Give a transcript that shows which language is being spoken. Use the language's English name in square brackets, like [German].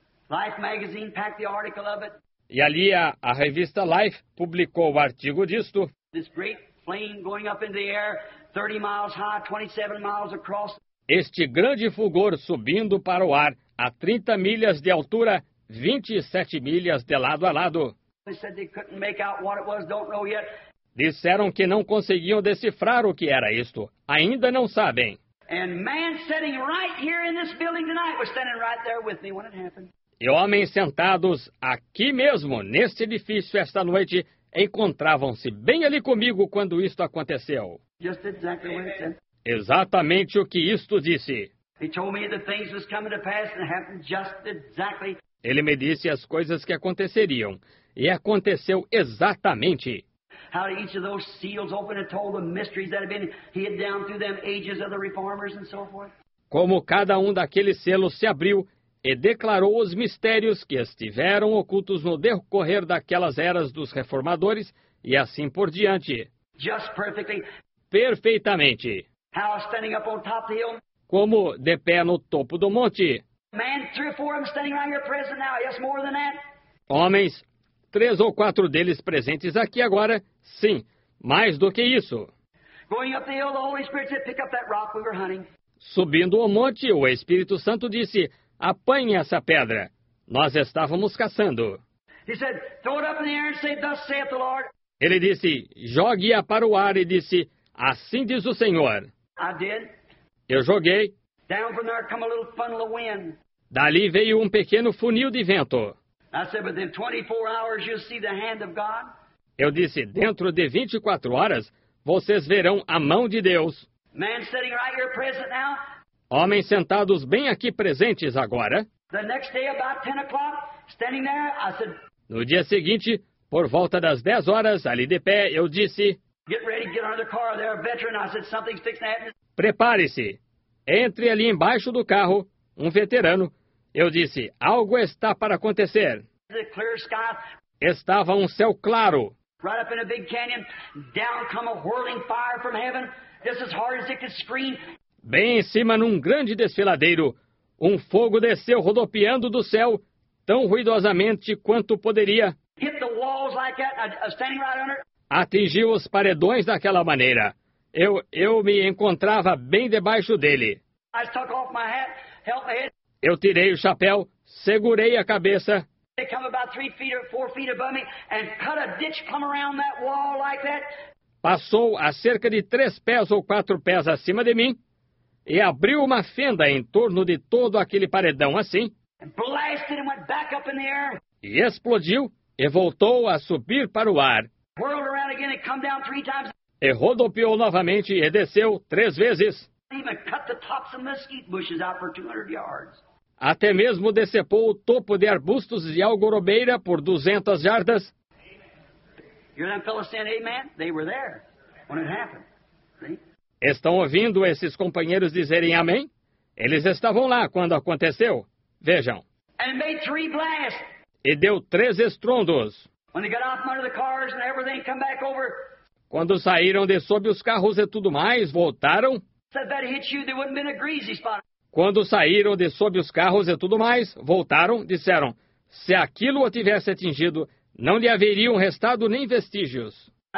[English] Life magazine packed the article of it. [Portuguese] E ali a revista Life publicou o artigo disto. [English] This great plane going up in the air, 30 miles high, 27 miles across. [Portuguese] Este grande fulgor subindo para o ar a 30 milhas de altura, 27 milhas de lado a lado. [English] They said they couldn't make out what it was, don't know yet. [Portuguese] Disseram que não conseguiam decifrar o que era isto. Ainda não sabem. [English] And man sitting right here in this building tonight was standing right there with me when it happened. [Portuguese] E homens sentados aqui mesmo, neste edifício, esta noite, encontravam-se bem ali comigo quando isto aconteceu. [English] Just exactly what it said. [Portuguese] Exatamente o que isto disse. [English] He told me that things was coming to pass and happened just exactly. [Portuguese] Ele me disse as coisas que aconteceriam, e aconteceu exatamente. [English] How each of those seals opened and told the mysteries that had been hid down through them ages of the reformers and so forth. [Portuguese] Como cada daqueles selos se abriu e declarou os mistérios que estiveram ocultos no decorrer daquelas eras dos reformadores e assim por diante. [English] Just perfectly. [Portuguese] Perfeitamente. [English] How standing up on top of the hill. [Portuguese] Como de pé no topo do monte. [English] Man, three or four of them standing around your presence now. Yes, more than that. [Portuguese] Homens, três ou quatro deles presentes aqui agora, sim, mais do que isso. [English] Going up the hill, the Holy Spirit said, pick up that rock we were hunting. [Portuguese] Subindo o monte, o Espírito Santo disse, apanhe essa pedra, nós estávamos caçando. [English] He said, throw it up in the air and say, thus saith the Lord. [Portuguese] Ele disse, jogue-a para o ar e disse, assim diz o Senhor. [English] I did. [Portuguese] Eu joguei. [English] Down from there come a little funnel of wind. [Portuguese] Dali veio pequeno funil de vento. [English] I said, but in 24 hours you'll see the hand of God. [Portuguese] Eu disse, dentro de 24 horas, vocês verão a mão de Deus. [English] Man sitting right here present now. [Portuguese] Homens sentados bem aqui presentes agora. [English] The next day, about 10 o'clock, standing there, I said, [Portuguese] no dia seguinte, por volta das 10 horas, ali de pé, eu disse, [English] get ready, get under the car, there, a veteran. I said, something's fixing to happen. [Portuguese] Prepare-se. Entre ali embaixo do carro, veterano. Eu disse, algo está para acontecer. [English] The clear sky. [Portuguese] Estava céu claro. [English] Right up in a big canyon, down come a whirling fire from heaven. Just as hard as it could scream. [Portuguese] Bem em cima, grande desfiladeiro, fogo desceu rodopiando do céu, tão ruidosamente quanto poderia. [English] Hit the walls like that, standing right under. [Portuguese] Atingiu os paredões daquela maneira. Eu me encontrava bem debaixo dele. [English] I took off my hat, held my head. [Portuguese] Eu tirei o chapéu, segurei a cabeça. [English] They come about 3 feet or 4 feet above me and cut a ditch come around that wall like that. [Portuguese] Passou a cerca de 3 pés ou 4 pés acima de mim. E abriu uma fenda em torno de todo aquele paredão assim. [English] Blasted and went back up in the air. [Portuguese] E explodiu e voltou a subir para o ar. [English] Whirled around again and come down 3 times. [Portuguese] E rodopiou novamente e desceu 3 vezes. [English] Even cut the tops of mesquite bushes out for 200 yards. [Portuguese] Até mesmo decepou o topo de arbustos de algorobeira por 200 jardas. [English] You hear them fellas saying amen? They were there when it happened. See? [Portuguese] Estão ouvindo esses companheiros dizerem amém? Eles estavam lá quando aconteceu. Vejam. [English] And made 3 blasts. [Portuguese] E deu 3 estrondos. [English] When they got off under the cars and everything come back over. [Portuguese] Quando saíram de sob os carros e tudo mais, voltaram. [English] So if that hit you, there wouldn't been a greasy spot. [Portuguese] Quando saíram de sob os carros e tudo mais, voltaram, disseram, se aquilo o tivesse atingido, não lhe haveriam restado nem vestígios.